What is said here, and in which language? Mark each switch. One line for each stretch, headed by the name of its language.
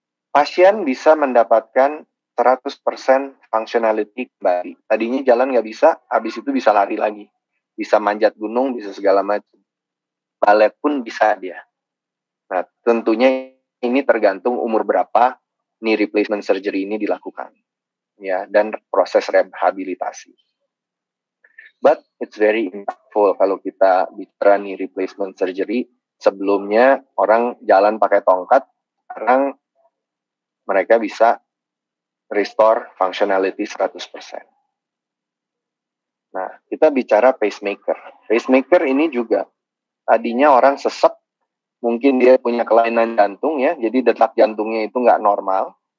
Indonesian: Pasien bisa mendapatkan 100% functionality kembali. Tadinya jalan nggak bisa, habis itu bisa lari lagi. Bisa manjat gunung, bisa segala macam. Balet pun bisa dia. Nah, tentunya ini tergantung umur berapa knee replacement surgery ini dilakukan. Ya, dan proses rehabilitasi.
English: But it's very impactful
Indonesian: kalau kita bicara
English: knee replacement surgery.
Indonesian: Sebelumnya orang jalan pakai tongkat, sekarang mereka bisa
English: restore functionality
Indonesian: 100%. Nah, kita bicara pacemaker. Pacemaker ini juga tadinya orang sesek, mungkin dia punya kelainan jantung ya, jadi detak jantungnya itu nggak normal.